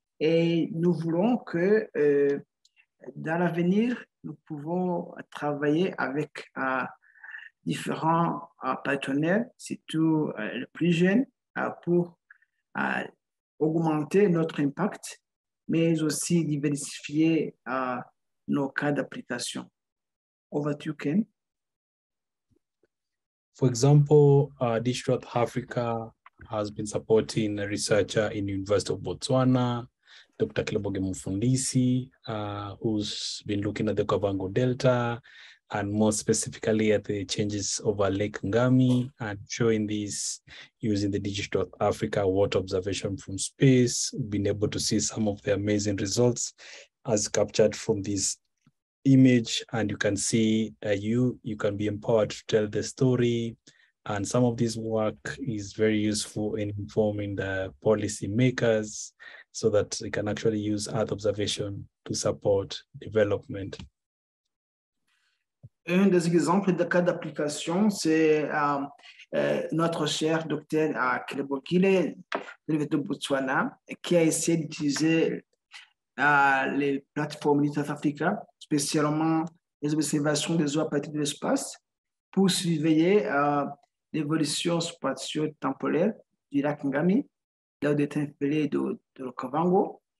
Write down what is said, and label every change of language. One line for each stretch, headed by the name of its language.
French: Et nous voulons que dans l'avenir, nous pouvons travailler avec différents partenaires, surtout les plus jeunes, pour augmenter notre impact, mais aussi diversifier nos cas d'application.
English: Over to you, Ken. For example, Digital Earth Africa has been supporting a researcher in the University of Botswana, Dr. Kiloboge Mufundisi, who's been looking at the Kavango Delta, and more specifically at the changes over Lake Ngami, and showing this using the Digital Earth Africa water observation from space. We've been able to see some of the amazing results as captured from this image, and you can see you can be empowered to tell the story. And some of this work is very useful in informing the policy makers so that they can actually use Earth observation to support development.
French: Un des exemples de cas d'application, c'est notre cher docteur Kilebokile de Botswana, qui a essayé d'utiliser les plateformes de South Africa, spécialement les observations des eaux à partir de l'espace, pour surveiller l'évolution spatio-temporelle du lac Ngami, là où est installé de Kavango.